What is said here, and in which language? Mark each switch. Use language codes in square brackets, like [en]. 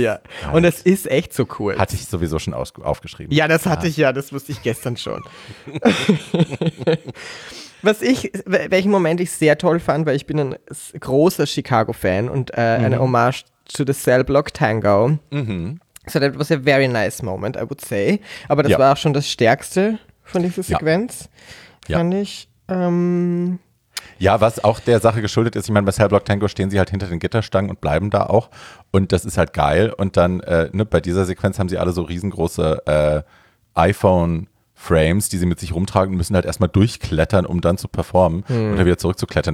[de] Ja, und es ist echt so cool. Hatte ich sowieso schon aufgeschrieben. Ja, das hatte ich ja, das wusste ich gestern schon. welchen Moment ich sehr toll fand, weil ich bin ein großer Chicago-Fan und eine Hommage zu The Cell Block Tango. Mhm. [en] So that was a very nice moment, I would say. [de] Aber das war auch schon das Stärkste von dieser Sequenz, fand ich. Ja, was auch der Sache geschuldet ist, ich meine, bei Cellblock Tango stehen sie halt hinter den Gitterstangen und bleiben da auch und das ist halt geil und dann bei dieser Sequenz haben sie alle so riesengroße iPhone-Frames, die sie mit sich rumtragen und müssen halt erstmal durchklettern, um dann zu performen oder wieder zurückzuklettern.